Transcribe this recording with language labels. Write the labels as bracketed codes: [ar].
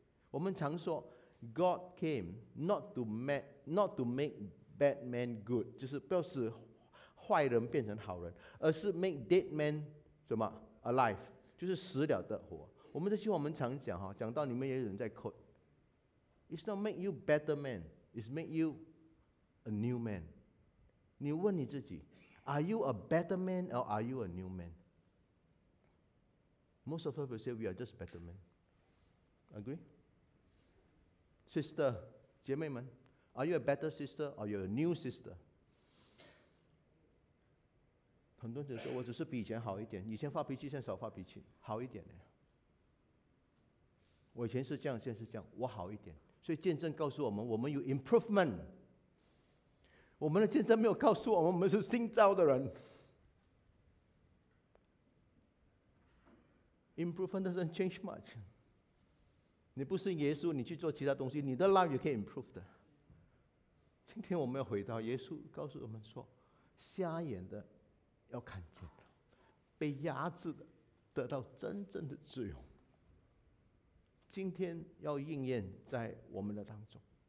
[zh] 我们常说 [en] God came not to make bad men good， [zh] 就是不要使坏人变成好人，而是 [en] make dead men [zh] 什么 [en] alive， [zh] 就是死了的活。我们这句话我们常讲，讲到你们也有人在 quote。 [en] It's not make you better man, it's make you a new man. [zh] 你问你自己， [en] Are you a better man or are you a new man? Most of us will say we are just better men. Agree? Sister, [zh] 姐妹们， [en] Are you a better sister or are you a new sister? [zh] 很多人说我只是比以前好一点，以前发脾气现在少发脾气，好一点呢。我以前是这样，现在是这样，我好一点。所以见证告诉我们，我们有 improvement。我们的见证没有告诉我们，我们是新造的人。 [en] improvement doesn't change much。 [zh] 你不信耶稣，你去做其他东西，你的 life 也可以 improve 的。今天我们要回到耶稣告诉我们说，瞎眼的要看见，被压制的得到真正的自由，今天要应验在我们的当中。